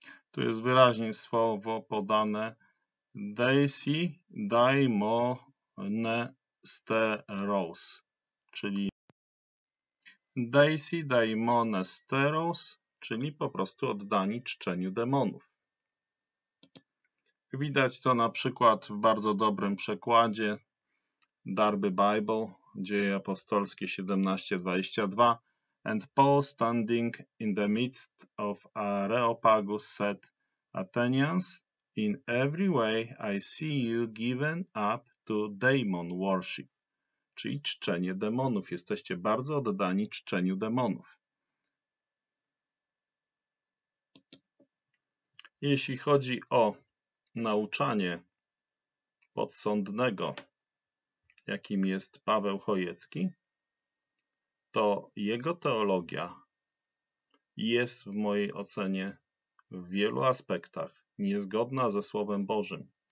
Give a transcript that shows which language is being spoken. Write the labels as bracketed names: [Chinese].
[Polish] Tu jest wyraźnie słowo podane: deisi daimonesteros, czyli deisi daimonesteros, czyli po prostu oddani czczeniu demonów. Widać to na przykład w bardzo dobrym przekładzie Darby Bible, Dzieje apostolskie 17:22. [English] And Paul, standing in the midst of Areopagus, said: Athenians, in every way I see you given up to demon worship. [Polish] Czyli czczenie demonów. Jesteście bardzo oddani czczeniu demonów. Jeśli chodzi o nauczanie podsądnego, jakim jest Paweł Chojecki, to jego teologia jest w mojej ocenie w wielu aspektach niezgodna ze Słowem Bożym.